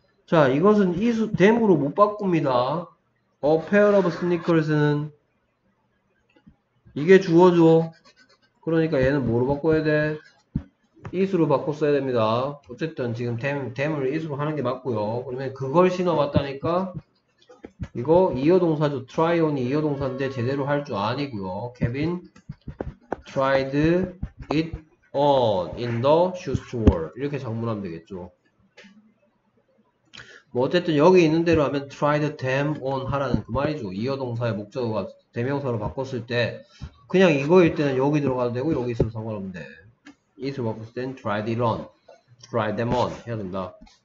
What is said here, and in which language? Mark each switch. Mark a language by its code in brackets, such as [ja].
[ko] 자, 이것은 됨으로 못 바꿉니다. [en] A pair of sneakers [ko] 는 이게 주어죠. 그러니까 얘는 뭐로 바꿔야 돼? is로 바꿔 써야 됩니다. 어쨌든 지금 됨을 is로 하는 게 맞고요. 그러면 그걸 신어봤다니까? 이거 이어 동사죠. try on이 이어 동사인데 제대로 할줄 아니고요. [en] Kevin tried it on in the shoe store. [ko] 이렇게 작문하면 되겠죠. 뭐 어쨌든 여기 있는 대로 하면 [en] tried them on [ko] 하라는 그 말이죠. 이어 동사의 목적어가 대명사로 바꿨을 때 그냥 이거일 때는 여기 들어가도 되고 여기 있어도 상관없는데 이수 바꿨을 땐 [en] tried it on, tried them on [ko] 해야 된다.